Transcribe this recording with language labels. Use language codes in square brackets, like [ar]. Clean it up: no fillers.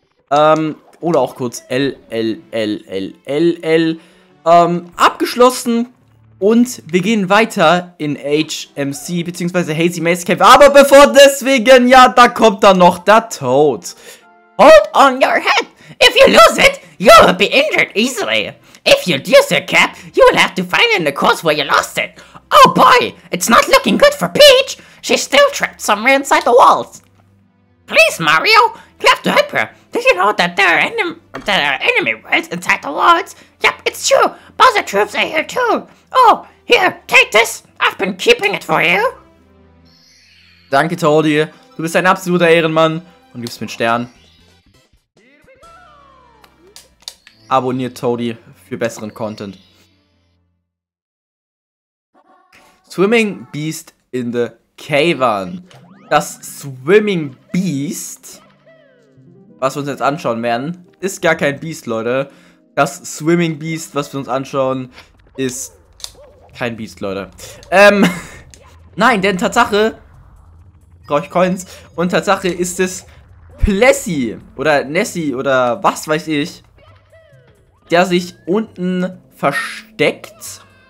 [de] Oder auch kurz LLLLLL. Abgeschlossen. Und wir gehen weiter in HMC bzw. Hazy Maze Cave. Aber bevor deswegen, ja, da kommt dann noch der Toad. [en] Hold on your head. If you lose it, you will be injured easily. If you lose your cap, you will have to find it in the course where you lost it. Oh boy, it's not looking good for Peach. She's still trapped somewhere inside the walls. Please, Mario, you have to help her. Did you know that there are enemy worlds inside the walls? Yep, it's true. Bowser troops are here too. Oh, here, take this. I've been keeping it for you. [de] Danke, Toadie. Du bist ein absoluter Ehrenmann und gibst mir einen Stern. Abonniert Toadie für besseren Content. [en] Swimming Beast in the Cavern. [de] Das Swimming Beast, was wir uns jetzt anschauen werden, ist gar kein Beast, Leute. Das Swimming Beast, was wir uns anschauen, ist kein Beast, Leute. Nein, denn Tatsache, brauche ich Coins, und Tatsache ist es Plessy oder Nessie oder was weiß ich, der sich unten versteckt.